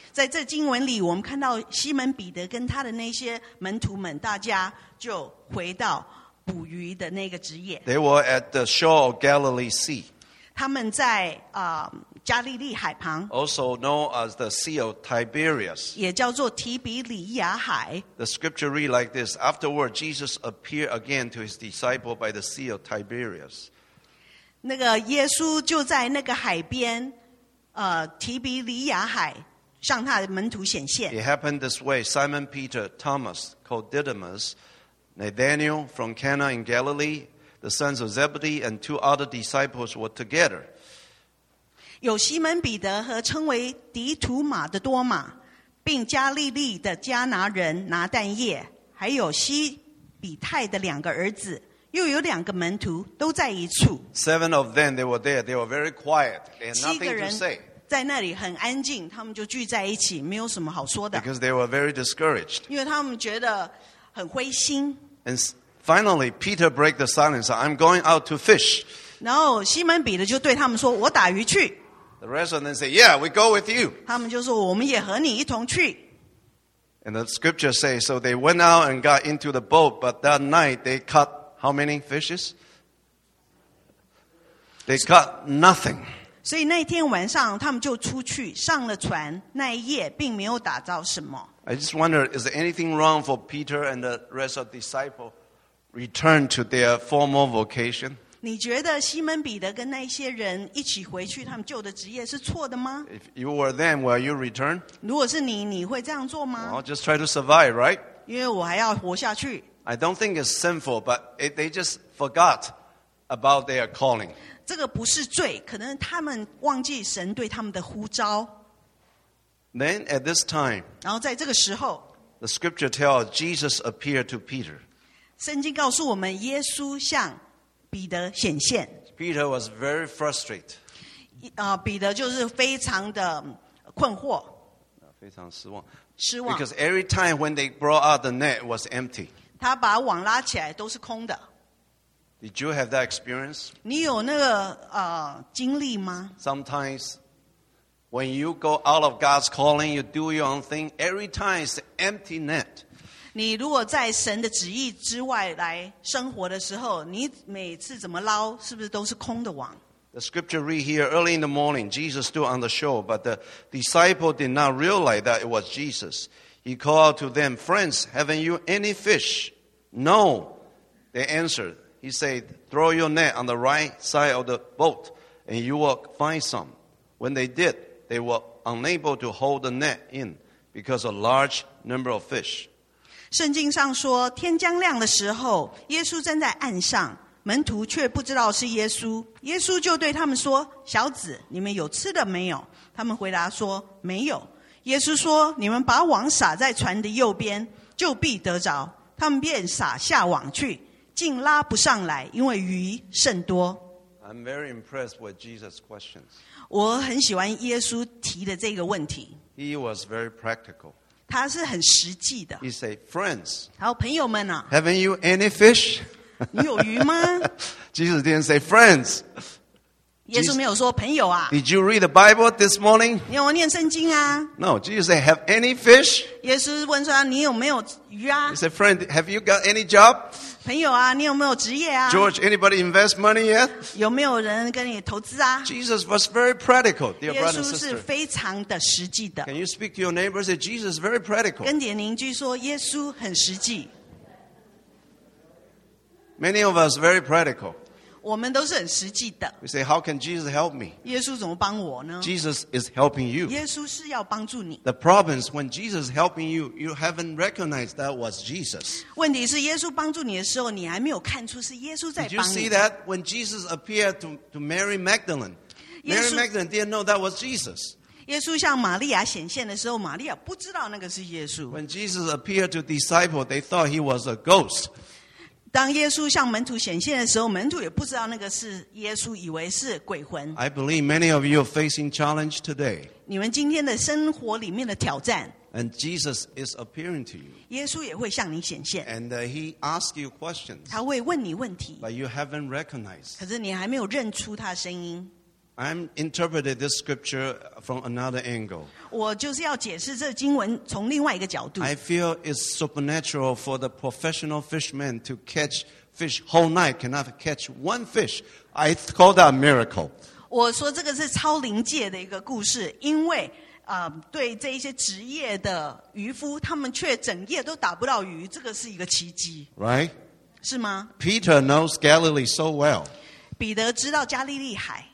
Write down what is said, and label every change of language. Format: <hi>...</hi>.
<zh>在这经文里我们看到西门彼得跟他的那些门徒们大家就回到捕鱼的那个职业。</zh> <en>They were at the shore of Galilee Sea.</en> <zh>他们在加利利海旁，</zh> <en>also known as the Sea of Tiberias,</en> <zh>也叫做提比里亚海。</zh> <en>The scripture read like this: Afterward, Jesus appeared again to his disciples by the Sea of Tiberias.</en> <zh>那个耶稣就在那个海边，提比里亚海向他的门徒显现。</zh> <en>It happened this way: Simon Peter, Thomas called Didymus, Nathanael from Cana in Galilee, the sons of Zebedee, and two other disciples were together.</en> <zh>有西门彼得和称为迪图马的多马，并加利利的加拿人拿但业，还有西比泰的两个儿子，又有两个门徒都在一处。</zh> <en>Seven of them, they were there. They were very quiet. They had nothing to say.</en> <zh>七个人在那里很安静，他们就聚在一起，没有什么好说的。</zh> <en>Because they were very discouraged.</en> <zh>因为他们觉得很灰心。</zh> <en>And finally, Peter break the silence. I'm going out to fish.</en> <zh>然后西门彼得就对他们说：“我打鱼去。”</zh> <en>The rest of them say, "Yeah, we go with you."</en> <zh>他们就说：“我们也和你一同去。”</zh> <en>And the scripture says, so they went out and got into the boat, but that night they caught how many fishes? They caught nothing.</en> <zh>所以那天晚上他们就出去上了船，那一夜并没有打到什么。</zh> <en>I just wonder, is there anything wrong for Peter and the rest of the disciples return to their former vocation?</en> <zh>你觉得西门彼得跟那些人一起回去他们旧的职业是错的吗？</zh> <en>If you were them, will you return?</en> <zh>如果是你，你会这样做吗？</zh> <en>Well, just try to survive, right?</en> <zh>因为我还要活下去。</zh> <en>I don't think it's sinful, but they just forgot about their calling.</en> <zh>这个不是罪，可能他们忘记神对他们的呼召。</zh> <en>Then at this time,</en> <zh>然后在这个时候，</zh> <en>the scripture tells Jesus appeared to Peter.</en> <zh>圣经告诉我们耶稣向彼得显现。</zh> <en>Peter was very frustrated.</en> <zh>彼得就是非常的困惑，非常失望。失望。</zh> <en>Because every time when they brought out the net, it was empty.</en> <zh>他把网拉起来都是空的。</zh> <en>Did you have that experience?</en> <zh>你有那个经历吗？</zh> <en>Sometimes when you go out of God's calling, you do your own thing. Every time it's empty net.</en> <zh>你如果在神的旨意之外来生活的时候，你每次怎么捞，是不是都是空的网？</zh> <en>The scripture read here, early in the morning, Jesus stood on the shore, but the disciple did not realize that it was Jesus. He called out to them, "Friends, haven't you any fish?" "No," they answered. He said, "Throw your net on the right side of the boat, and you will find some." When they did, they were unable to hold the net in because of a large number of fish.</en> <zh>圣经上说，天将亮的时候，耶稣正在岸上，门徒却不知道是耶稣。耶稣就对他们说：“小子，你们有吃的没有？” 他们回答说：“没有。” 耶稣说：“你们把网撒在船的右边，就必得着。” 他们便撒下网去，竟拉不上来，因为鱼甚多。</zh> <en>I'm very impressed with Jesus' questions.</en> <zh>我很喜欢耶稣提的这个问题。</zh> <en>He was very practical.</en> <zh>他是很实际的。</zh> <en>He say, friends.</en> <zh>好，朋友们啊。</zh> <en>Haven't you any fish?</en> <zh>你有鱼吗？</zh> <en>Jesus didn't say, friends.</en> <zh>耶稣没有说朋友啊。</zh> <en>Did you read the Bible this morning?</en> <zh>你有念圣经啊。</zh> <en>No, Jesus say, have any fish?</en> <zh>耶稣问说你有没有鱼啊。</zh> <en>He say, friend, have you got any job?</en> <zh>朋友啊，你有没有职业啊</zh> <en>？George, anybody invest money yet?</en> <zh>有没有人跟你投资啊</zh> <en>？Jesus was very practical, dear brother and sister.</en> <zh>耶稣是非常的实际的。</zh> <en>Can you speak to your neighbor? Say Jesus is very practical.</en> <zh>跟你的邻居说，耶稣很实际。</zh> <en>Many of us very practical.</en> <zh>我们都是很实际的。</zh> <en>We say, how can Jesus help me?</en> <zh>耶稣怎么帮我呢</zh> <en>？Jesus is helping you.</en> <zh>耶稣是要帮助你。</zh> <en>The problem is when Jesus is helping you, you haven't recognized that was Jesus.</en> <zh>问题是耶稣帮助你的时候，你还没有看出是耶稣在帮你。</zh> <en>Did you see that when Jesus appeared to Mary Magdalene? Mary Magdalene didn't know that was Jesus.</en> <zh>耶稣向玛利亚显现的时候，玛利亚不知道那个是耶稣。</zh> <en>When Jesus appeared to disciples, they thought he was a ghost.</en> <zh>当耶稣向门徒显现的时候，门徒也不知道那个是耶稣，以为是鬼魂。</zh> <en>I believe many of you are facing challenge today.</en> <zh>你们今天的生活里面的挑战。</zh> <en>And Jesus is appearing to you.</en> <zh>耶稣也会向你显现。</zh> <en>And he asks you questions.</en> <zh>他会问你问题。</zh> <en>But you haven't recognized.</en> <zh>可是你还没有认出他的声音。</zh> <en>I'm interpreting this scripture from another angle.</en> <zh>我就是要解释这经文从另外一个角度。</zh> <en>I feel it's supernatural for the professional fishermen to catch fish whole night, cannot catch one fish. I call that a miracle.</en> <zh>我说这个是超灵界的一个故事，因为对这一些职业的渔夫，他们却整夜都打不到鱼，这个是一个奇迹。</zh> <en>Right?</en> <zh>是吗？</zh> <en>Peter knows Galilee so well.</en> <zh>彼得知道加利利海。</zh>